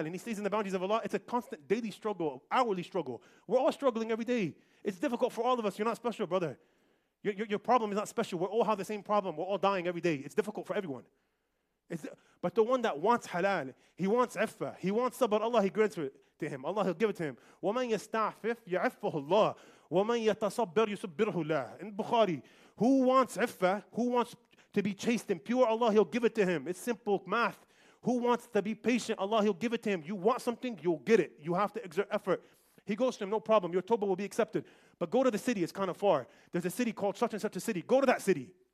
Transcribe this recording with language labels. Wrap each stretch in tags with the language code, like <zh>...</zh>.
<en>And he stays in the boundaries of Allah. It's a constant daily struggle, hourly struggle. We're all struggling every day. It's difficult for all of us. You're not special, brother. Your problem is not special. We all have the same problem. We're all dying every day. It's difficult for everyone. But the one that wants halal, he wants iffah. He wants sabr. Allah, he grants it to him. Allah, he'll give it to him.</en> <ar>وَمَنْ يَسْتَعْفِفْ يَعِفْهُ اللَّهِ وَمَنْ يَتَصَبِّرْ يُسَبِّرْهُ اللَّهِ</ar> <en>In Bukhari, who wants iffah? Who wants to be chaste and pure? Allah, he'll give it to him. It's simple math. Who wants to be patient? Allah, he'll give it to him. You want something, you'll get it. You have to exert effort. He goes to him, no problem. Your tawbah will be accepted. But go to the city, it's kind of far. There's a city called such and such a city. Go to that city.</en>